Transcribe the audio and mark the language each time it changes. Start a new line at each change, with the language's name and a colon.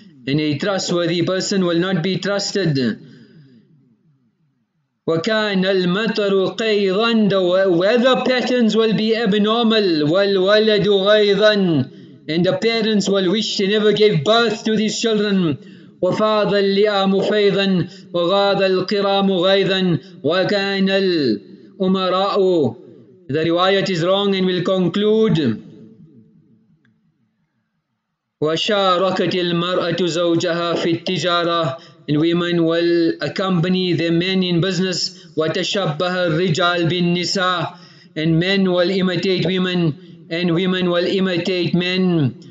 English: And a trustworthy person will not be trusted.
Arabic: وَكَانَ الْمَطَرُ قَيْضًا
English: The weather patterns will be abnormal.
Arabic: وَالْوَلَدُ غَيْضًا
English: And the parents will wish they never gave birth to these children.
Arabic: وَفَاضَ اللِّئَامُ فَيْضًا وَغَاضَ الْقِرَامُ غَيْضًا وَكَانَ الْأُمَرَاءُ
English: The riwayat is wrong and will conclude.
Arabic: وَشَارَكَتِ الْمَرْأَةُ زَوْجَهَا فِي التِّجَارَةِ
English: And women will accompany their men in business.
Arabic: وَتَشَبَّهَ الرِّجَالُ بِالنِّسَاءِ
English: And men will imitate women, and women will imitate men.